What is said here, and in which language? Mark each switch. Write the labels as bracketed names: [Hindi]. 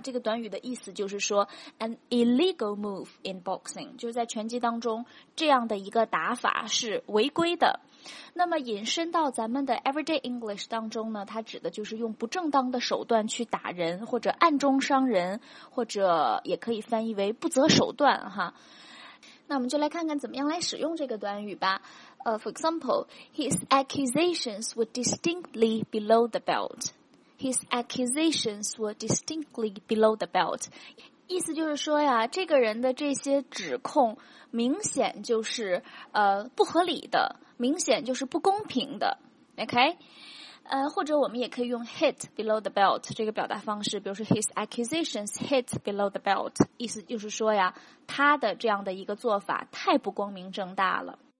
[Chinese] 这个短语的意思就是说 [English] an illegal move in boxing， [Chinese] 就是在拳击当中这样的一个打法是违规的。那么引申到咱们的 [English] everyday English [Chinese] 当中呢，它指的就是用不正当的手段去打人，或者暗中伤人，或者也可以翻译为不择手段哈。那我们就来看看怎么样来使用这个短语吧。 [English] For example, his accusations were distinctly below the belt. His accusations were distinctly below the belt. [Chinese] 意思就是说呀，这个人的这些指控明显就是不合理的，明显就是不公平的。 [English] OK？ [Chinese] 或者我们也可以用 hit below the belt 这个表达方式，比如说 [English] his accusations hit below the belt， [Chinese] 意思就是说呀，他的这样的一个做法太不光明正大了。